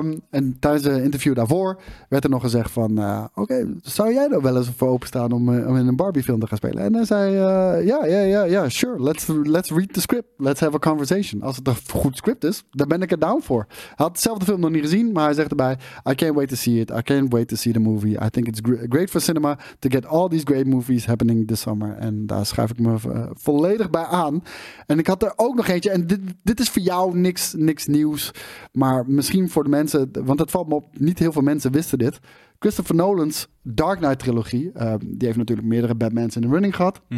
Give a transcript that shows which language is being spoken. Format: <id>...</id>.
<nl>En tijdens een interview daarvoor werd er nog gezegd van... Oké, zou jij er wel eens voor openstaan om in een Barbie-film te gaan spelen? En hij zei,</nl> <en>sure, let's read the script. Let's have a conversation.</en> <nl>Als het een goed script is, dan ben ik er down voor. Hij had dezelfde film nog niet gezien, maar hij zegt erbij...</nl> <en>I can't wait to see it. I can't wait to see the movie. I think it's great for cinema to get all these great movies happening this summer.</en> <nl>En daar schrijf ik me volledig bij aan. En ik had er ook nog eentje. En dit is voor jou niks nieuws, maar... Misschien voor de mensen, want het valt me op, niet heel veel mensen wisten dit. Christopher Nolan's Dark Knight trilogie, die heeft natuurlijk meerdere Batmans in de running gehad. Mm-hmm.</nl>